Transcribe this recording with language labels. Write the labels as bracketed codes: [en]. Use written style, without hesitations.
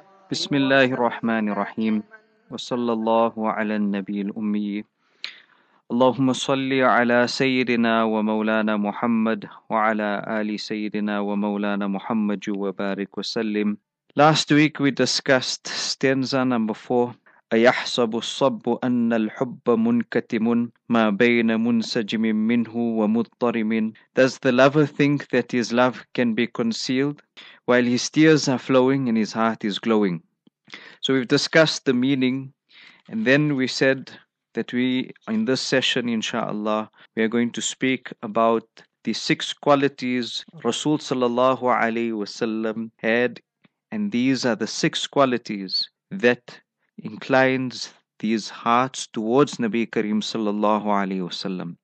[ar] بسم الله الرحمن الرحيم وصلى الله على النبي الأمي. اللهم صل على سيدنا ومولانا محمد وعلى آل سيدنا ومولانا محمد وبارك وسلم. [en] Last week we discussed stanza number 4. [ar] أيحسب الصب أن الحب منكتم ما بين منسجم منه ومضطرم. [en] Does the lover think that his love can be concealed while his tears are flowing and his heart is glowing? So we've discussed the meaning, and then we said that we, in this session, inshallah, we are going to speak about the 6 qualities Rasul sallallahu alayhi wasallam had, and these are the 6 qualities that inclines these hearts towards Nabi Kareem sallallahu alayhi wasallam.